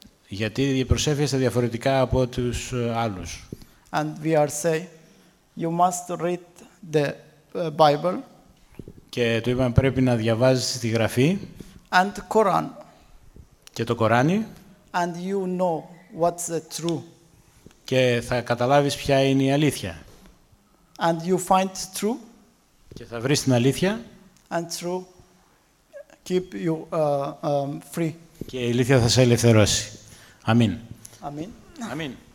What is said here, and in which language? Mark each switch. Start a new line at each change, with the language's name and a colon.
Greek: Γιατί προσεύχεστε διαφορετικά από τους άλλους?
English: And we are say you must read the Bible.
Greek: Και του είπαμε πρέπει να διαβάζεις τη Γραφή.
English: And Quran.
Greek: Και το Κοράνι.
English: And you know what's the true.
Greek: Και θα καταλάβεις ποια είναι η αλήθεια.
English: And you find true.
Greek: Και θα βρεις την αλήθεια.
English: And true keep you free.
Greek: Και η αλήθεια θα σε ελευθερώσει. Αμήν. Αμήν. Αμήν.